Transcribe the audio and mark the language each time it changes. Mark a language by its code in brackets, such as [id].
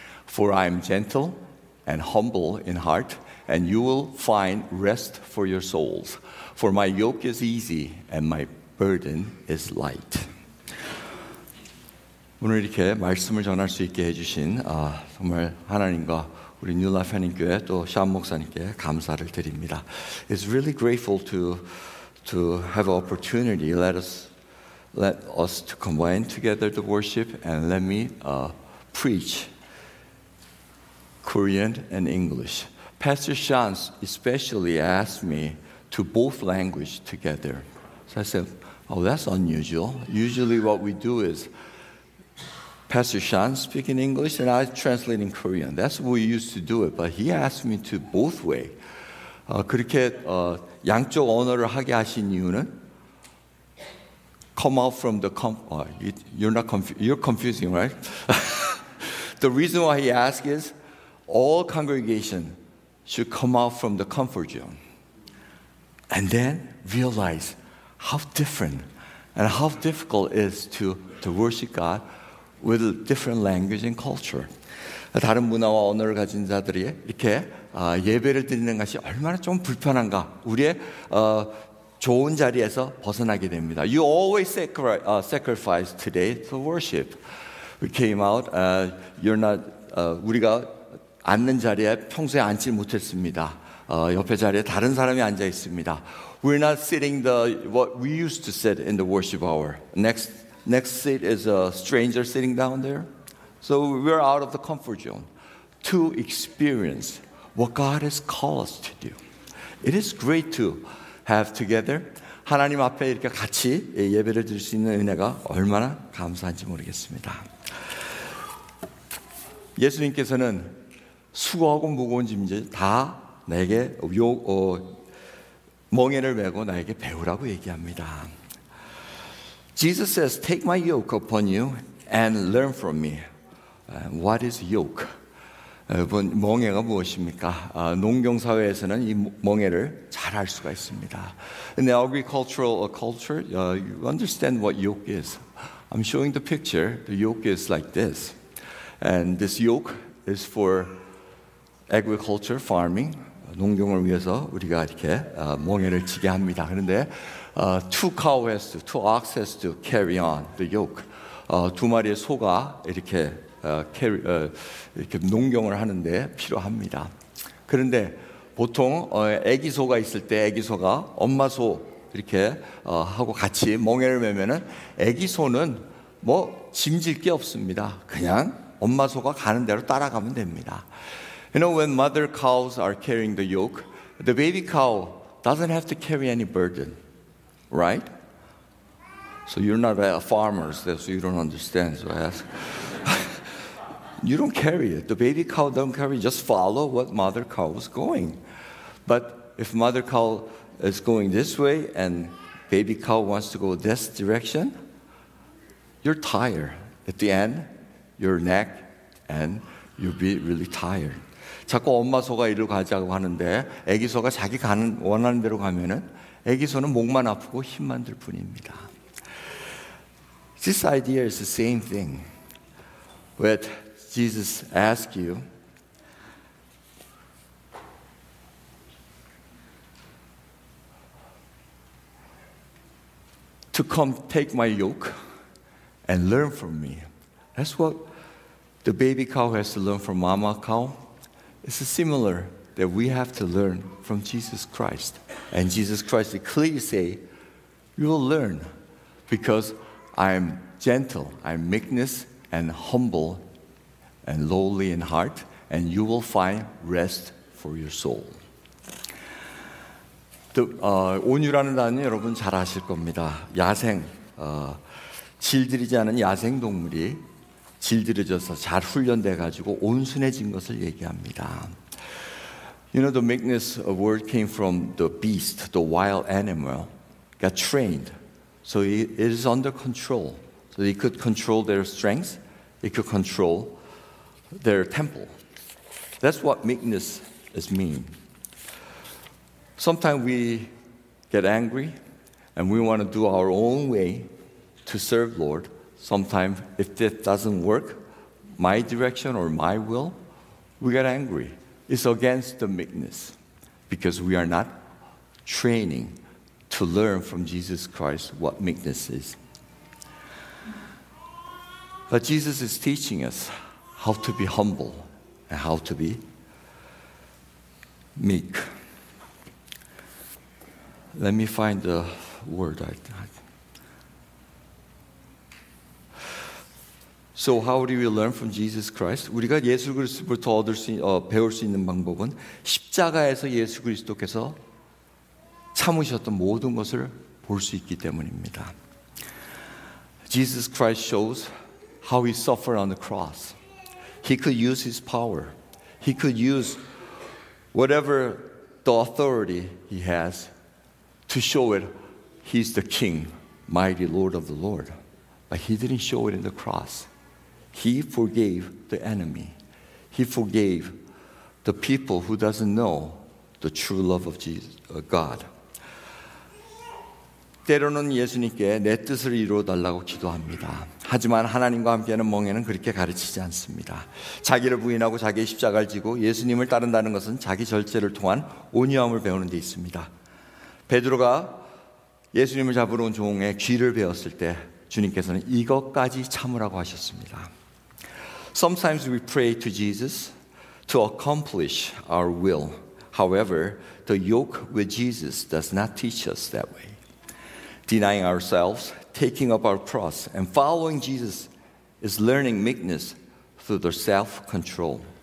[en] For I am gentle and humble in heart and you will find rest for your souls For my yoke is easy and my burden is light. [ko] 오늘 이렇게 말씀을 전할 수 있게 해주신 정말 하나님과 우리 뉴 라이프 하나님 교회 또 샴 목사님께 감사를 드립니다. [en] It's really grateful to have an opportunity. Let us to combine together to worship and let me preach Korean and English. Pastor Shan especially asked me to both language together. So I said, oh, that's unusual. Usually what we do is Pastor Shan speak in English and I translate in Korean. That's what we used to do it. But he asked me to both way. [ko] 그렇게 양쪽 언어를 하게 하신 이유는 [en] come out from the, you're confusing, right? The reason why he asked is all congregation should come out from the comfort zone. And then realize how different and how difficult it is to worship God with a different language and culture. [ko] 다른 문화와 언어를 가진 자들이 이렇게 예배를 드리는 것이 얼마나 좀 불편한가 우리의 좋은 자리에서 벗어나게 됩니다. [en] You always sacrifice today to worship. We came out, you're not, [ko] 우리가 앉는 자리에 평소에 앉지 못했습니다. 옆에 자리에 다른 사람이 앉아 있습니다. [en] We're not sitting the what we used to sit in the worship hour. Next seat is a stranger sitting down there. So we're out of the comfort zone to experience what God has called us to do. It is great to have together [ko] 하나님 앞에 이렇게 같이 예배를 드릴 수 있는 은혜가 얼마나 감사한지 모르겠습니다. 예수님께서는 수고하고 무거운 짐진 다 나에게 멍에를 메고 나에게 배우라고 얘기합니다. [en] Jesus says, "Take my yoke upon you and learn from me." What is yoke? [ko] 여러분, 멍에가 무엇입니까? 농경 사회에서는 이 멍에를 잘 알 수가 있습니다. [en] In the agricultural culture, you understand what yoke is. I'm showing the picture. The yoke is like this, and this yoke is for agriculture farming. [ko] 농경을 위해서 우리가 이렇게 멍에를 지게 합니다. 그런데 [en] two ox has to carry on the yoke. [ko] 두 마리의 소가 이렇게 이렇게 농경을 하는데 필요합니다. 그런데 보통 아기 소가 있을 때 아기 소가 엄마 소 이렇게 하고 같이 멍에를 메면은 아기 소는 뭐 짐질 게 없습니다. 그냥 엄마 소가 가는 대로 따라가면 됩니다. [en] You know, when mother cows are carrying the yoke, the baby cow doesn't have to carry any burden, right? So you're not a farmer, so you don't understand. So I ask. You don't carry it. The baby cow don't carry it. Just follow what mother cow is going. But if mother cow is going this way and baby cow wants to go this direction, you're tired. At the end, your neck and you'll be really tired. 자꾸 엄마 소가 이리로 가자고 하는데 애기 소가 자기 가는 원하는 대로 가면은 애기 소는 목만 아프고 힘만 들 뿐입니다. This idea is the same thing with Jesus asks you, to come take my yoke and learn from me. That's what the baby cow has to learn from mama cow. It's similar that we have to learn from Jesus Christ. And Jesus Christ clearly say, you will learn because I'm gentle, I'm meekness and humble and lowly in heart, and you will find rest for your soul. [ko] 온유라는 단어 여러분 잘 아실 겁니다. 야생, 질들이지 않은 야생 동물이 질들여져서 잘 훈련돼가지고 온순해진 것을 얘기합니다. [en] You know, the meekness word came from the beast, the wild animal, got trained. So it is under control. So it could control their strength, it could control their temple. That's what meekness is mean. Sometimes we get angry and we want to do our own way to serve Lord. Sometimes if it doesn't work my direction or my will, we get angry. It's against the meekness because we are not training to learn from Jesus Christ what meekness is. But Jesus is teaching us how to be humble and how to be meek. Let me find the word. So how do we learn from Jesus Christ? [ko] 우리가 예수 그리스도부터 배울 수 있는 방법은 십자가에서 예수 그리스도께서 참으셨던 모든 것을 볼 수 있기 때문입니다. [en] Jesus Christ shows how he suffered on the cross. He could use his power. He could use whatever the authority he has to show it. He's the King, mighty Lord of the Lord. But he didn't show it in the cross. He forgave the enemy. He forgave the people who doesn't know the true love of Jesus, God. [ko] 때로는 예수님께 내 뜻을 이루어 달라고 기도합니다. 하지만 하나님과 함께하는 멍에는 그렇게 가르치지 않습니다. 자기를 부인하고 자기의 십자가를 지고 예수님을 따른다는 것은 자기 절제를 통한 온유함을 배우는 데 있습니다. 베드로가 예수님을 잡으러 온 종의 귀를 베었을 때 주님께서는 이것까지 참으라고 하셨습니다. [en] Sometimes we pray to Jesus to accomplish our will. However, the yoke with Jesus does not teach us that way. Denying ourselves, taking up our cross, and following Jesus is learning meekness through the self-control.